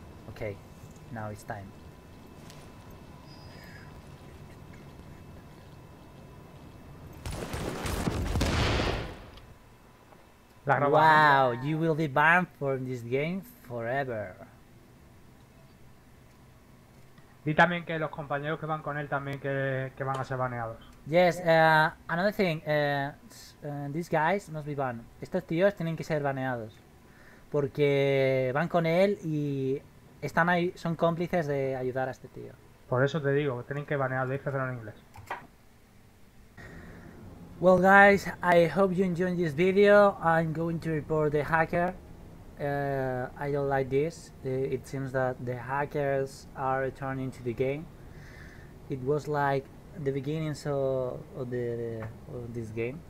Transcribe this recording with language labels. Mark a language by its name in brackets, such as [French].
[English] Okay, now it's time. Wow, you will be banned from this game forever. [Spanish] Y también que los compañeros que van con él también que van a ser baneados. [English] Yes, another thing, these guys must be banned. [Spanish] Estos tíos tienen que ser baneados. Porque van con él y están ahí, son cómplices de ayudar a este tío. Por eso te digo, tienen que banear, dice en inglés. [English] Well guys, I hope you enjoyed this video. I'm going to report the hacker. I don't like this. It seems that the hackers are returning to the game. It was like the beginning of this game.